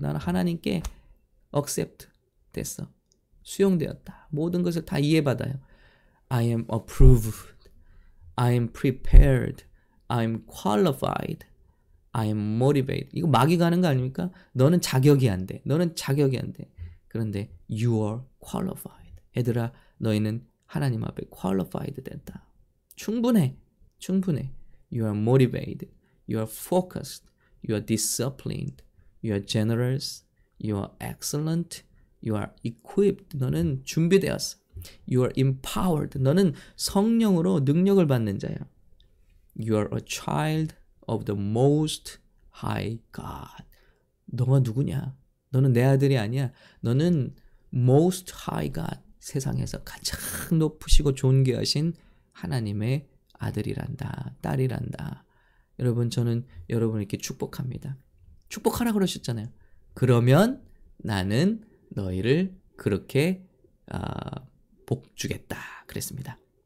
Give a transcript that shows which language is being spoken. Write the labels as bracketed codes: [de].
[ko] 나는 하나님께 accept 됐어. 수용되었다. 모든 것을 다 이해받아요. [en] I am approved. I am prepared. I am qualified. I am motivated. [ko] 이거 마귀가 하는 거 아닙니까? 너는 자격이 안 돼. 너는 자격이 안 돼. [en] 그런데 you are qualified. [ko] 얘들아, 너희는 하나님 앞에 qualified 됐다. 충분해. 충분해. [en] You are motivated. You are focused. You are disciplined. You are generous. You are excellent. You are equipped. [ko] 너는 준비되었어. [en] You are empowered. [ko] 너는 성령으로 능력을 받는 자야. [en] You are a child of the most high God. [ko] 너가 누구냐? 너는 내 아들이 아니야. 너는 [en] most high God. [ko] 세상에서 가장 높으시고 존귀하신 하나님의 아들이란다. 딸이란다. 여러분, 저는 여러분에게 축복합니다. 축복하라 그러셨잖아요. 그러면 나는 너희를 그렇게 복 주겠다. 그랬습니다.